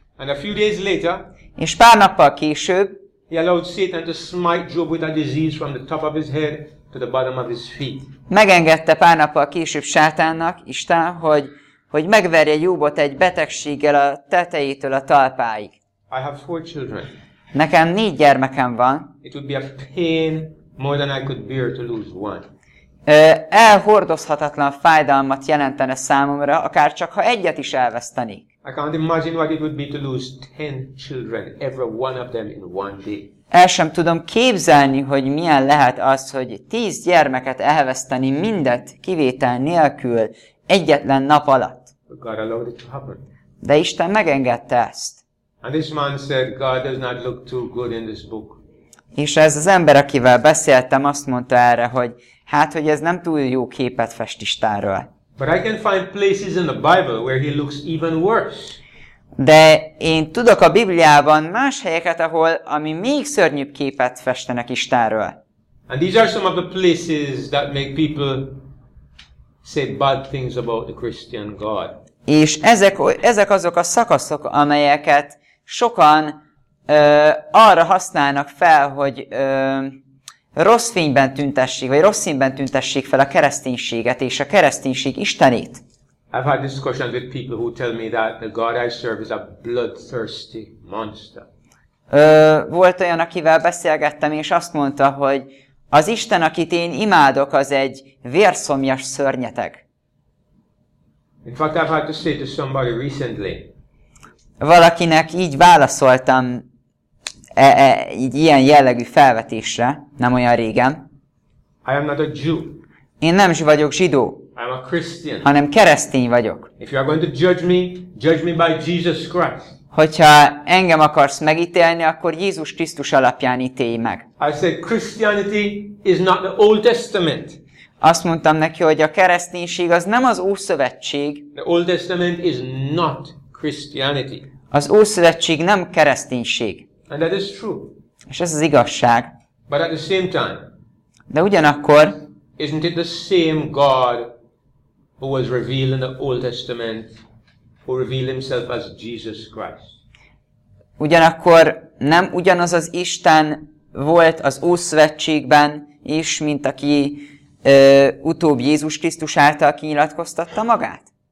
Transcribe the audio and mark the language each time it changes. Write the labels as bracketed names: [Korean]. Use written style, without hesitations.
[English] And a few days later, [Hungarian] és pár nappal később, [English] he allowed Satan to smite Job with a disease from the top of his head to the bottom of his feet. [Hungarian] Megengedte pár nappal később Sátánnak Isten, hogy megverje Jobot egy betegséggel a tetejétől a talpáig. [English] I have 4 children. [Hungarian] Nekem 4 gyermekem van. [English] It would be a pain More than I could bear to lose one. [Hungarian] Elhordozhatatlan fájdalmat jelentene számomra, akár csak ha egyet is elvesztenék. [English] I can't imagine what it would be to lose 10 children, every one of them in one day. [Hungarian] El sem tudom képzelni, hogy milyen lehet az, hogy 10 gyermeket elveszteni mindet kivétel nélkül egyetlen nap alatt. [English] God allowed it to happen. [Hungarian] De Isten megengedte ezt. [English] And this man said, God does not look too good in this book. [Hungarian] És ez az ember, akivel beszéltem, azt mondta erre, hogy hát, hogy ez nem túl jó képet fest Istenről. [English] But I can find places in the Bible where he looks even worse. [Hungarian] De én tudok a Bibliában más helyeket, ahol ami még szörnyűbb képet festenek Istenről. [English] And these are some of the places that make people say bad things about the Christian God. [Hungarian] És ezek azok a szakaszok, amelyeket sokan arra használnak fel, hogy rossz fényben tüntessék, vagy rossz színben tüntessék fel a kereszténységet és a kereszténység Istenét. [English] I've had discussions with people who tell me that the God I serve is a bloodthirsty monster. [Hungarian] Volt olyan, akivel beszélgettem, és azt mondta, hogy az Isten, akit én imádok, az egy vérszomjas szörnyeteg. [English] In fact, I've had to say to somebody recently. [Hungarian] Valakinek így válaszoltam így ilyen jellegű felvetésre, nem olyan régen. [English] I am not a Jew. [Hungarian] Én nem vagyok zsidó. [English] I'm a Christian. [Hungarian] Hanem keresztény vagyok. [English] If you are going to judge me by Jesus Christ. [Hungarian] Hogyha engem akarsz megítélni, akkor Jézus Krisztus alapján ítélj meg. [English] I said Christianity is not the Old Testament. [Hungarian] Azt mondtam neki, hogy a kereszténység az nem az Ószövetség. [English] The Old Testament is not Christianity. [Hungarian] Az Ószövetség nem kereszténység. [English] And that is true. [Hungarian] És ez az igazság. [English] But at the same time. [Hungarian] De ugyanakkor. [English] Isn't it the same God who was revealed in the Old Testament who revealed himself as Jesus Christ? [Hungarian] Ugyanakkor nem ugyanaz az Isten volt az Ószövetségben is, mint aki utóbb Jézus Krisztus által kinyilatkoztatta magát?